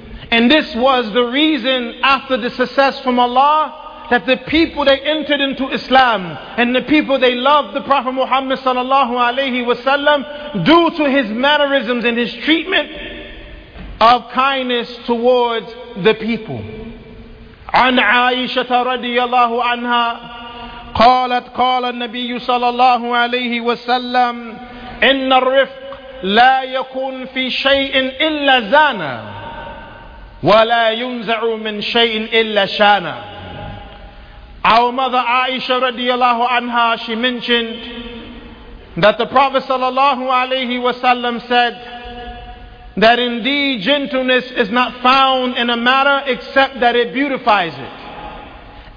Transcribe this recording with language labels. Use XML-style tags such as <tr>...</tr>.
<en>And this was the reason, after the success from Allah, that the people, they entered into Islam, and the people, they loved the Prophet Muhammad sallallahu alaihi wasallam due to his mannerisms and his treatment of kindness towards the people. An Aisha radiyallahu anha</en> <ar>قالت قال النبي صلى الله عليه وسلم إن الرفق لا يكون في شيء إلا زانا ولا ينزع من شيء إلا شانا.</ar> <en>Our mother Aisha radiyallahu anha, she mentioned that the Prophet صلى الله عليه وسلم said that indeed gentleness is not found in a matter except that it beautifies it.</en>